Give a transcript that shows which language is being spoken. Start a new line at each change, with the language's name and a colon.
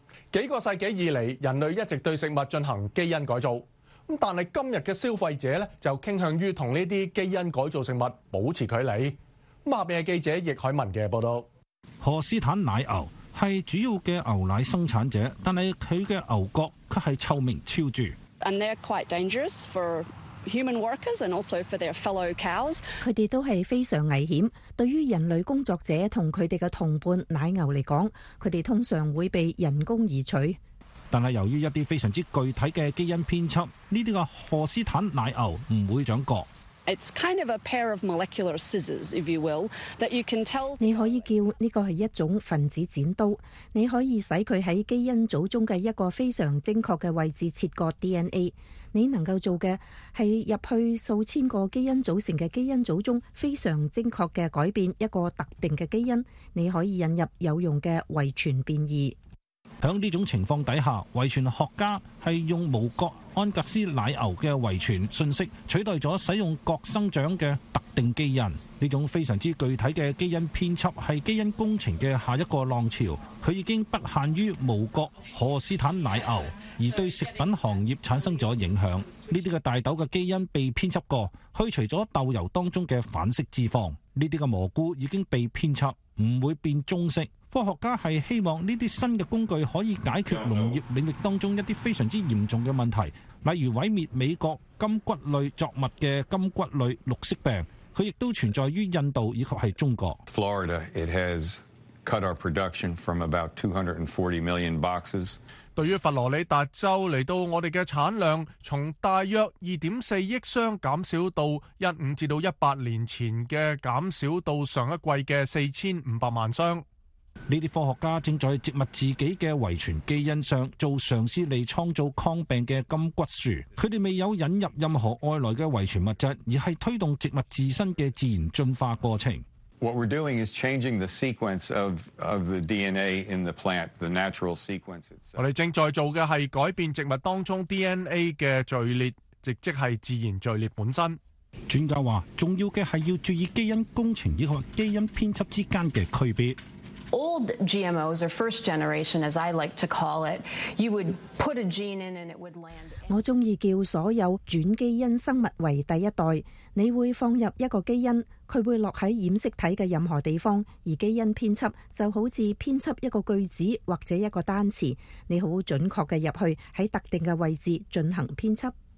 Chinese: 几个世纪以来，人类一直对食物进行基因改造，但是今天的消费者就倾向于与这些基因改造食物保持距离。下面是记者易海文的报道。荷斯坦奶牛是主要的牛奶生产者，但是他的牛角却是臭名昭著。
English: And they're quite dangerous for human workers and also for their fellow cows.
Chinese: 他们都是非常危险，对于人类工作者和他们的同伴奶牛来讲，他们通常会被人工移除。但是由于一些非常具体的基因编辑，这些荷斯坦奶牛不会长角。
English: It's kind of a pair of molecular scissors, if you will, that you can tell.
Chinese: 你可以叫这个是一种分子剪刀，你可以使它在基因组中的一个非常精确的位置切割 DNA。你能够做的是入去数千个基因组成的基因组中非常精确的改变一个特定的基因，你可以引入有用的遗传变异。在这种情况下，遗传学家是用无角安格斯奶牛的遗传信息取代了使用角生长的特定基因。这种非常具体的基因编辑是基因工程的下一个浪潮，它已经不限于无角荷斯坦奶牛，而对食品行业产生了影响。这些大豆的基因被编辑过，去除了豆油当中的反式脂肪，这些蘑菇已经被编辑，不会变棕色。科学家是希望这些新的工具可以解决农业领域当中一些非常严重的问题，例如毁灭美国金骨类作物的金骨类绿色病，它亦都存在于印度以及是中国。
English: Florida, it has cut our production from about 240 million boxes.
Chinese: 对于佛罗里达州来到我们的产量从大约 2.4 亿箱减少到15至18年前的减少到上一季的4500万箱。这些科学家正在植物自己的遗传基因上做尝试来创造抗病的金骨树，他们未有引入任何外来的遗传物质，而是推动植物自身的自然进化过程。
English: What we're doing is changing the sequence of the DNA in the plant, the natural sequence itself.
Chinese: 我们正在做的是改变植物当中 DNA 的序列，即是自然序列本身。专家说，重要的是要注意基因工程以及基因编辑之间的区别。
English: Old GMOs or first generation, as I like to call it, you would put a gene in and it would land.
Chinese: 我中意叫所有转基因生物为第一代。你会放入一个基因，它会落在染色体的任何地方，而基因编辑就好像编辑一个句子或者一个单词，你好准确的入去在特定的位置进行编辑。